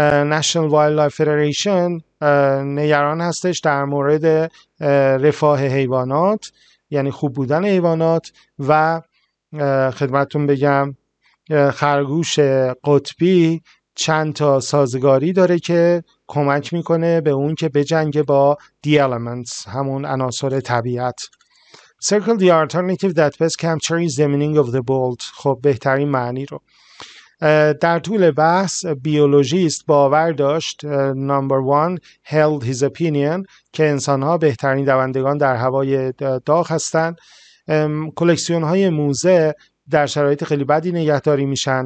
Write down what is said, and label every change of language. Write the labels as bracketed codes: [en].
[fa] National Wildlife Federation نگران هستش در مورد رفاه حیوانات، یعنی خوب بودن حیوانات. و خدمتتون بگم خرگوش قطبی چند تا سازگاری داره که کمک میکنه به اون که بجنگه با دی الیمنتس، همون عناصر طبیعت. [en] Circle the alternative that best captures the meaning of the bolt. [fa] خب بهترین معنی رو. در طول بحث بیولوژیست باور داشت نمبر 1 [en] held his opinion [fa] که انسان ها بهترین دوندگان در هوای داغ هستند. کلکسیون های موزه در شرایط خیلی بدی نگهداری میشن.